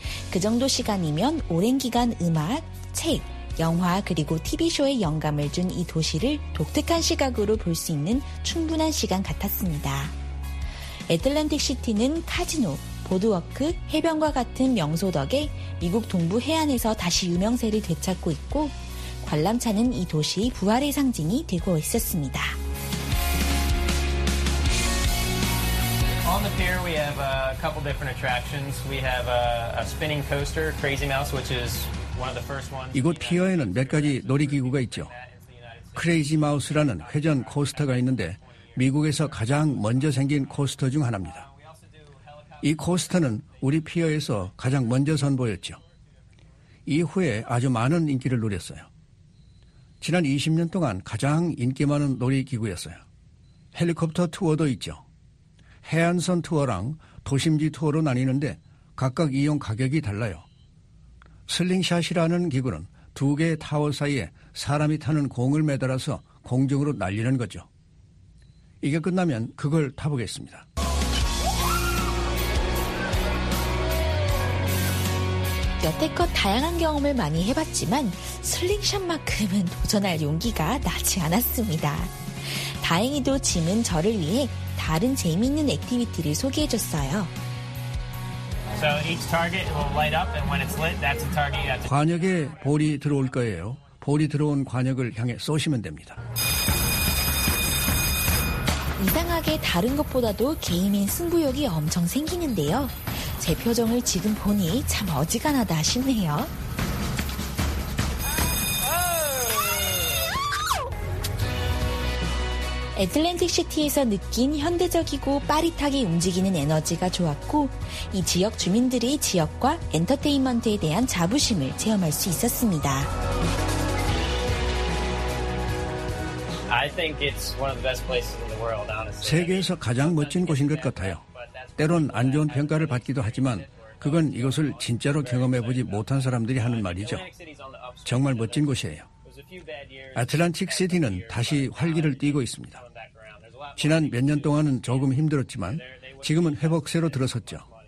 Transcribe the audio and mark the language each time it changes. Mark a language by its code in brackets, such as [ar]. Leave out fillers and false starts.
[ko] 그 정도 시간이면 오랜 기간 음악, 책, 영화 그리고 TV쇼에 영감을 준 이 도시를 독특한 시각으로 볼 수 있는 충분한 시간 같았습니다. 애틀랜틱 시티는 카지노, 보드워크, 해변과 같은 명소 덕에 미국 동부 해안에서 다시 유명세를 되찾고 있고 관람차는 이 도시의 부활의 상징이 되고 있었습니다. [en] On the pier, we have a couple different attractions. We have a spinning coaster, Crazy Mouse, which is one of the first ones. [ko] 이곳 피어에는 몇 가지 놀이기구가 있죠. 크레이지 마우스라는 회전 코스터가 있는데 미국에서 가장 먼저 생긴 코스터 중 하나입니다. 이 코스터는 우리 피어에서 가장 먼저 선보였죠. 이후에 아주 많은 인기를 누렸어요. 지난 20년 동안 가장 인기 많은 놀이기구였어요. 헬리콥터 투어도 있죠. 해안선 투어랑 도심지 투어로 나뉘는데 각각 이용 가격이 달라요. 슬링샷이라는 기구는 두 개의 타워 사이에 사람이 타는 공을 매달아서 공중으로 날리는 거죠. 이게 끝나면 그걸 타보겠습니다. 여태껏 다양한 경험을 많이 해봤지만 슬링샷만큼은 도전할 용기가 나지 않았습니다. 다행히도 짐은 저를 위해 다른 재미있는 액티비티를 소개해줬어요. [en] So each target will light up, and when it's lit, that's a target. That's a... [ko] 관역에 볼이 들어올 거예요. 볼이 들어온 관역을 향해 쏘시면 됩니다. 이상하게 다른 것보다도 게임엔 승부욕이 엄청 생기는데요. 제 표정을 지금 보니 참 어지간하다 싶네요. 애틀랜틱 시티에서 느낀 현대적이고 빠릿하게 움직이는 에너지가 좋았고 이 지역 주민들이 지역과 엔터테인먼트에 대한 자부심을 체험할 수 있었습니다. [en] I think it's one of the best places in the world, honestly. [ko] 세계에서 가장 멋진 곳인 것 같아요. 때론 안 좋은 평가를 받기도 하지만 그건 이것을 진짜로 경험해보지 못한 사람들이 하는 말이죠. 정말 멋진 곳이에요. 애틀랜틱 시티는 다시 활기를 띠고 있습니다. 지난 몇 년 동안은 조금 힘들었지만 지금은 회복세로 들어섰죠.